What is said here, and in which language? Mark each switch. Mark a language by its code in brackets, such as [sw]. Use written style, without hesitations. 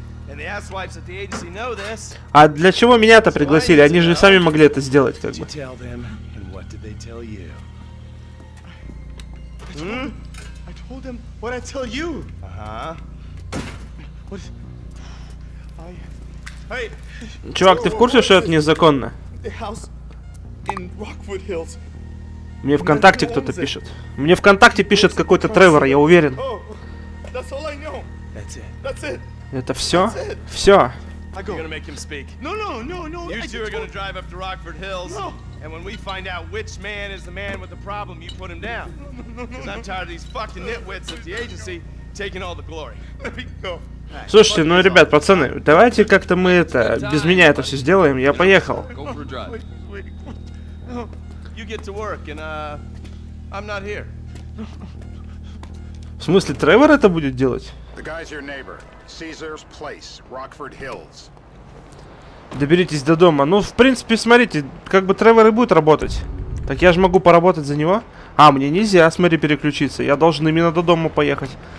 [en] And the asswipes at the agency know this. [ru] А для чего меня-то пригласили? Они же сами могли это сделать, как бы. [en] What did they tell you? I told them what I tell you. Uh-huh. What? Hey. [ru] Чувак, ты в курсе, что это незаконно? [en] The house in Rockwood Hills. [ru] Мне ВКонтакте кто-то пишет. Мне ВКонтакте пишет какой-то Тревор, я уверен. [en] Oh, that's all I know. That's it. That's it. [ru] Это все? Все. [en] I go. You're gonna make him speak. No. You two are gonna drive up to Rockford Hills. No. And when we find out which man is the man with the problem, you put him down. Because I'm tired of these fucking nitwits at the agency taking all the glory. [ru] Слушайте, ну ребят, пацаны, давайте как-то мы это без меня это все сделаем. Я поехал. [en] Go for a drive. You get to work, and I'm not here. [ru] В смысле, Тревор это будет делать? [en] The guy's your neighbor. Caesar's Place, Rockford Hills. [ru] Доберитесь до дома. Ну, в принципе, смотрите, как бы Тревор и будет работать. Так я же могу поработать за него. А, мне нельзя, смотри, переключиться. Я должен именно до дома поехать.